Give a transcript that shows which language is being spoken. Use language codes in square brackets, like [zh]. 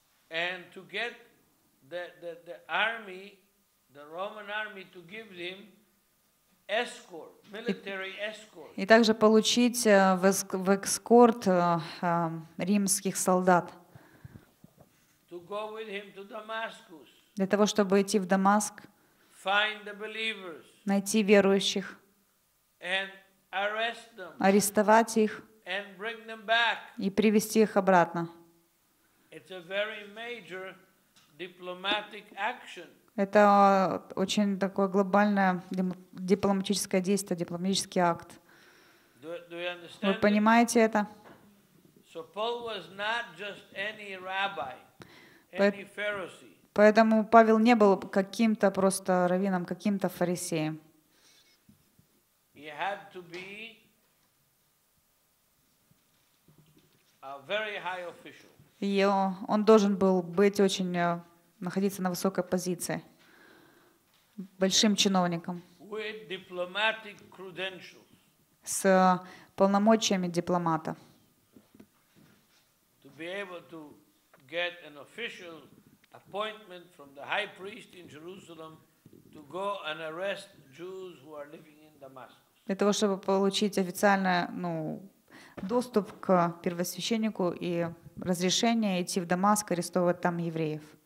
[en] And to get the army, the Roman army, to give them escort, military escort. [ru] И также получить в эскорт римских солдат. [en] To go with him to Damascus. [ru] Для того, чтобы идти в Дамаск. [en] Find the believers. [ru] Найти верующих. [en] And arrest them. [ru] Арестовать их. [en] And bring them back. [ru] И привести их обратно. [en] It's a very major diplomatic action. [ru] Это очень такое глобальное дипломатическое действие, дипломатический акт. [en] Do you understand? [ru] Вы понимаете это? [en] So Paul was not just any rabbi, any Pharisee. [ru] Поэтому Павел не был каким-то просто раввином, каким-то фарисеем. [en] He had to be a very high official. [ru] Он должен был быть очень, находиться на высокой позиции, большим чиновником. [en] With diplomatic credentials. [ru] С полномочиями дипломата. [en] To be able to get an official appointment from the high priest in Jerusalem to go and arrest Jews who are living in Damascus. [ru] Для того, чтобы получить официальное, доступ к первосвященнику и разрешение идти в Дамаск, арестовывать там евреев.